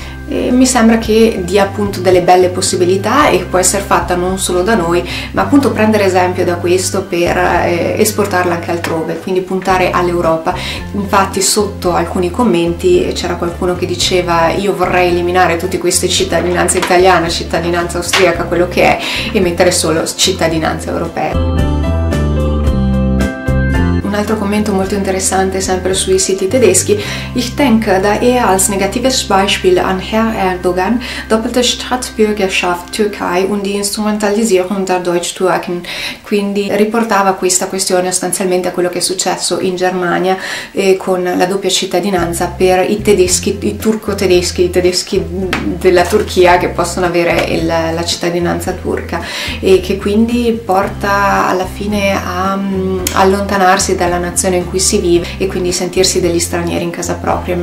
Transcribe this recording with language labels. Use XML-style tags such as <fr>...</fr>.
<it>mi sembra che dia appunto delle belle possibilità e può essere fatta non solo da noi, ma appunto prendere esempio da questo per esportarla anche altrove, quindi puntare all'Europa. Infatti sotto alcuni commenti c'era qualcuno che diceva: io vorrei eliminare tutte queste cittadinanze italiane, cittadinanza austriaca, quello che è, e mettere solo cittadinanza europea. Un altro commento molto interessante, sempre sui siti tedeschi:</it> <de>Ich denke da eher als negatives Beispiel an Herr Erdogan, doppelte Staatsbürgerschaft Türkei und die Instrumentalisierung der Deutsch-Türken.</de> <it>Quindi riportava questa questione sostanzialmente a quello che è successo in Germania con la doppia cittadinanza per i tedeschi, i turco-tedeschi, i tedeschi della Turchia che possono avere la cittadinanza turca, e che quindi porta alla fine a allontanarsi dalla nazione in cui si vive e quindi sentirsi degli stranieri in casa propria.</it>